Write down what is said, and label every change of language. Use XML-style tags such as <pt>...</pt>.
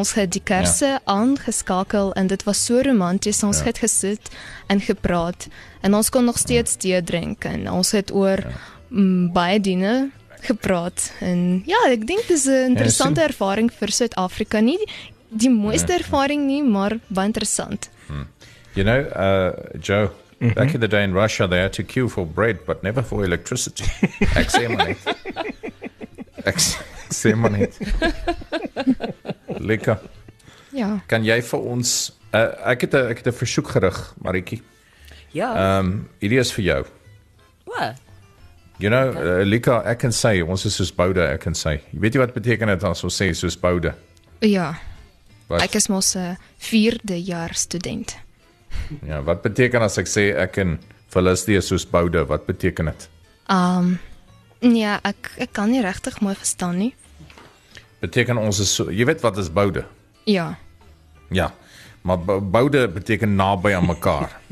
<af>Ons het die kersse aangeskakel en dit was so romanties. Ons het gesit en gepraat en ons kon nog steeds tee drink en ons het oor baie dinge gepraat. En ja, ek dink dis 'n interessante ervaring vir Suid-Afrika. Nie die mooiste ervaring nie, maar baie interessant.</af> <en>You know, Joe, back in the day in Russia, they had to queue for bread, but never for electricity.</en> <af>Ek sê maar net. Lika. Ja. Kan jy vir ons, ek het 'n versoek gerig, Maritjie. Ja. Hierdie is vir jou. Wat?</af> <en>You know,</en> <af>Lika, ek kan sê, ons is soos boude, ek kan sê. Jy weet jy wat beteken dit as ons sê soos boude? Ja. Wat? Ek is mos 'n vierde jaar student. Ja, wat beteken as ek sê ek en Felicity is soos boude, wat beteken dit? Ja, ek kan nie regtig mooi verstaan nie. Beteken ons is so, jy weet wat is boude? Ja. Ja, maar boude beteken naby aan mekaar.</af>